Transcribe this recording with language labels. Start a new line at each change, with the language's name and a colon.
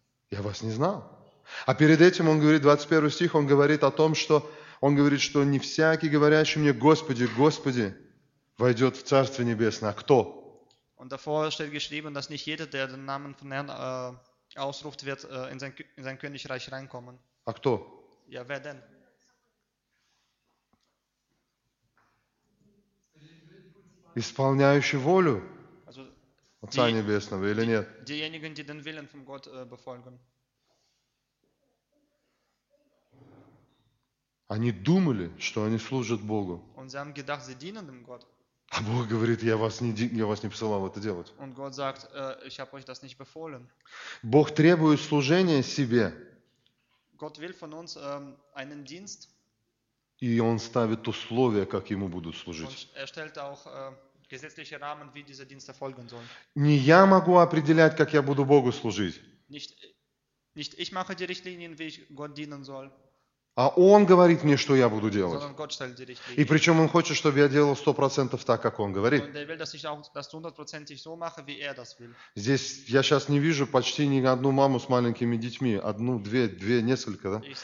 Russian: Я вас не знал. А перед этим он говорит, 21 стих, он говорит о том, что он говорит, что не всякий, говорящий мне, Господи, Господи, войдет в Царствие Небесное. А кто?
German: Und davor steht geschrieben, dass nicht jeder, der den Namen von Herrn ausruft, wird in sein Königreich reinkommen.
Russian: А кто?
German: Ja, wer denn?
Russian: Исполняющий волю Отца Небесного или нет?
German: Diejenigen, die den Willen von Gott befolgen.
Russian: Они думали, что они служат Богу.
German: Und sie haben gedacht, sie dienen dem Gott.
Russian: А Бог говорит, я вас не посылал это делать.
German: Und Gott sagt, ich habe euch das nicht befohlen.
Russian: Бог требует служения себе.
German: Gott will von uns einen Dienst.
Russian: И он ставит условия, как ему будут служить.
German: Und er stellt auch gesetzliche Rahmen, wie dieser Dienst erfolgen soll.
Russian: Не я могу определять, как я буду Богу служить.
German: Nicht ich mache die Richtlinien, wie ich Gott dienen soll.
Russian: А Он говорит мне, что я буду делать.
German: Gott,
Russian: и причем Он хочет, чтобы я делал 100% так, как Он говорит.
German: Will, auch, so mache,
Russian: здесь я сейчас не вижу почти ни одну маму с маленькими детьми. Одну, две, несколько. Да?